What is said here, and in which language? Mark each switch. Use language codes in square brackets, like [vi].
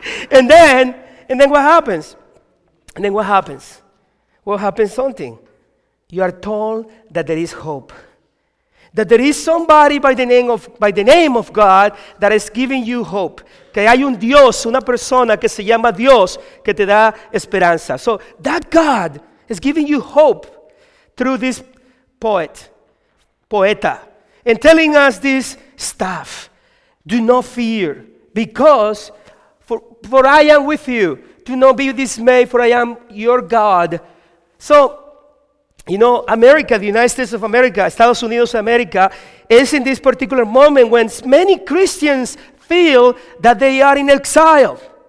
[en] and then what happens? And then what happens? What happens? Something. You are told that there is hope. That there is somebody by the name of God that is giving you hope. [es] Que hay un Dios, una persona que se llama Dios, que te da esperanza. [en] So that God is giving you hope through this poeta, and telling us this stuff. Do not fear, because for I am with you. Do not be dismayed, for I am your God. So, you know, America, the United States of America, Estados Unidos of America, is in this particular moment when many Christians feel that they are in exile.